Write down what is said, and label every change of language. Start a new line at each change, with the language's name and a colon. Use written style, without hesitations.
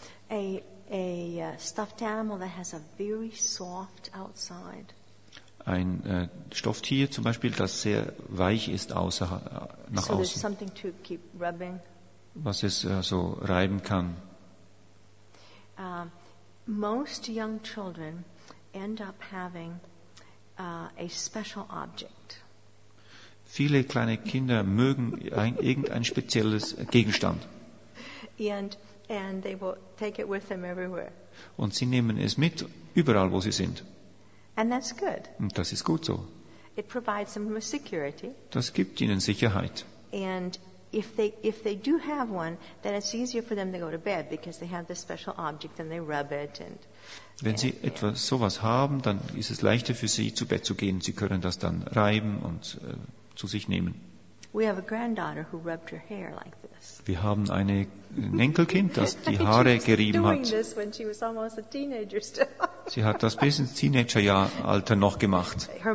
English: A stuffed animal that has a very soft outside.
German: Ein Stofftier zum Beispiel, das sehr weich ist nach außen.
English: So something to keep rubbing.
German: Was es so reiben kann.
English: Most young children end up having a special object.
German: Viele kleine Kinder mögen irgendein spezielles Gegenstand.
English: And they will take it with them everywhere.
German: Und sie nehmen es mit, überall wo sie sind.
English: And that's good.
German: Und das ist gut so.
English: It provides them with security.
German: Das gibt ihnen Sicherheit.
English: And if they do have one, then it's easier for them to go to bed because they have this special object and they rub it. And
German: wenn sie etwas sowas haben, dann ist es leichter für sie zu Bett zu gehen. Sie können das dann reiben und zu sich nehmen.
English: We have a granddaughter who rubbed her hair like this.
German: Wir haben ein Enkelkind, das die Haare gerieben hat. Sie hat das bis ins Teenageralter noch gemacht.